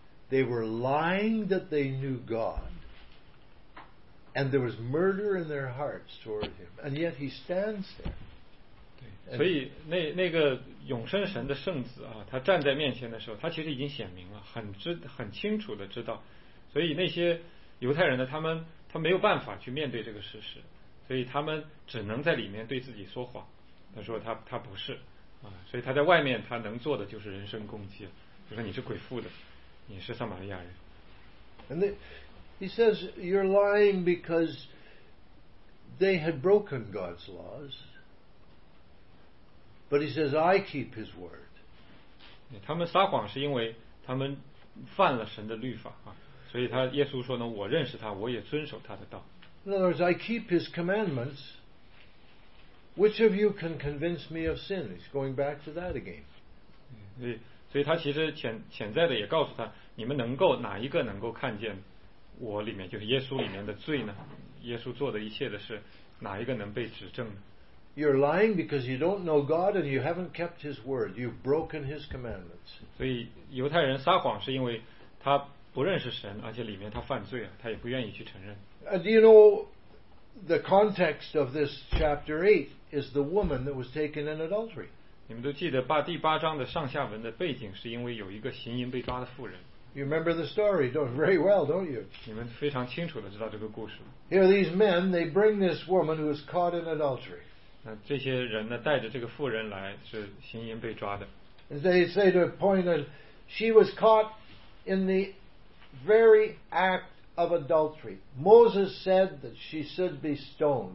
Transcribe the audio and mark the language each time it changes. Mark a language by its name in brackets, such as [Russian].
[English] They were lying that they knew God. And there was murder in their hearts toward him. And yet he stands there. [Chinese] 所以那个永生神的圣子啊，他站在面前的时候，他其实已经显明了，很清楚的知道。所以那些犹太人呢，他没有办法去面对这个事实，所以他们只能在里面对自己说谎。他说他不是。所以他在外面他能做的就是人身攻击，就说你是鬼附的，你是撒玛利亚人。 [English] And he says you're lying because they had broken God's laws, but he says I keep his word. [Chinese] 他们撒谎是因为他们犯了神的律法啊，所以他耶稣说呢，我认识他，我也遵守他的道。 [English] In other words, I keep his commandments. Which of you can convince me of sin? He's going back to that again. [Chinese] 所以他其实潜在的也告诉他，你们能够哪一个能够看见我里面就是耶稣里面的罪呢？耶稣做的一切的事，哪一个能被指证呢？ [English] You're lying because you don't know God and you haven't kept His word. You've broken His commandments. [Chinese] 所以犹太人撒谎是因为他不认识神，而且里面他犯罪了，他也不愿意去承认。 [English] Do you know? The context of this chapter 8 is the woman that was taken in adultery. [Chinese] 你们都记得第八章的上下文的背景是因为有一个行淫被抓的妇人。 [English] You remember the story very well, don't you? [Chinese] 你们非常清楚地知道这个故事。 [English] Here are these men, they bring this woman who was caught in adultery. [Chinese] 那这些人呢，带着这个妇人来，是行淫被抓的。 [English] And they say to a point that she was caught in the very act. Of adultery, Moses said that she should be stoned.